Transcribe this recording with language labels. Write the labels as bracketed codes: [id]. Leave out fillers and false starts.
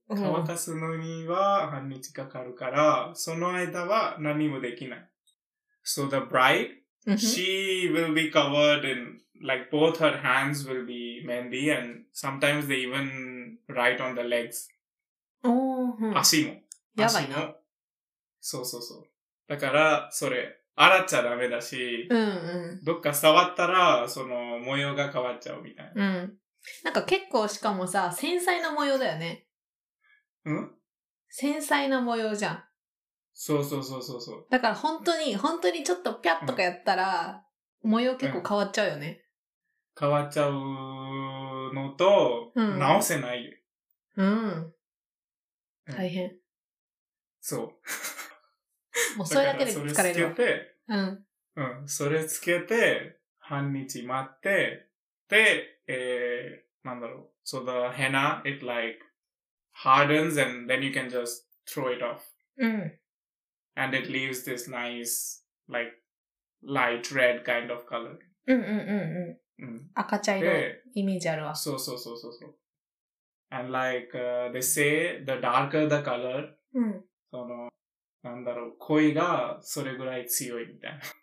[ja] 乾かすのには半日かかるから、その間は何もできない。 [en] So the bride, she will be covered in, like, both her hands will be mehendi, and sometimes they even write on the legs. Oh. [ja] 足も。やばいな。そうそうそう。だから、それ、洗っちゃダメだし、どっか触ったら、その、模様が変わっちゃうみたいな。なんか結構、しかもさ、繊細な模様だよね。ん? 繊細な模様じゃん。そうそうそうそうそう。だから本当にちょっとピャッとかやったら、模様結構変わっちゃうよね。変わっちゃうのと、直せない。大変。そう。もうそれだけで疲れるわ。それつけて、つけて、半日待って、で、なんだろう。 [en] So the henna, it like hardens and then you can just throw it off. And it leaves this nice, like, light red kind of color. So, so, so, so, so. And like, they say, the darker the color, [ja] その、なんだろう、恋がそれぐらい強いみたいな。